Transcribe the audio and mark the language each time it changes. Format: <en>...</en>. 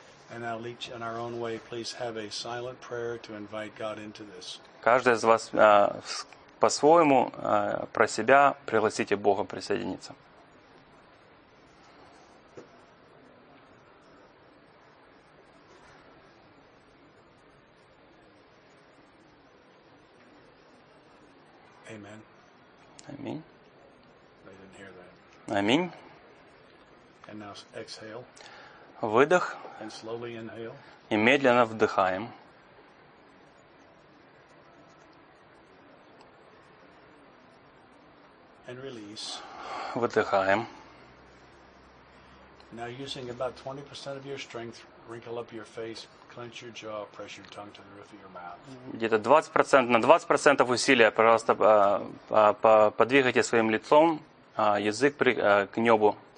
<en>And now each in our own way, please have a silent prayer to invite God into this.</en> <ru>Каждый из вас по-своему про себя пригласите Бога присоединиться.</ru> <en>Amen.</en> <ru>Аминь.</ru> <en>They didn't hear that.</en> <ru>Аминь.</ru> <en>And now exhale.</en> <ru>Выдох.</ru> <en>And slowly inhale.</en> <ru>И медленно вдыхаем.</ru> <en>And release.</en> <ru>Выдыхаем.</ru> <en>Now using about 20% of your strength, wrinkle up your face, clench your jaw, press your tongue to the roof of your mouth.</en> <ru>Где-то 20%, на 20% усилия, пожалуйста, подвигайте своим лицом, язык к небу.</ru>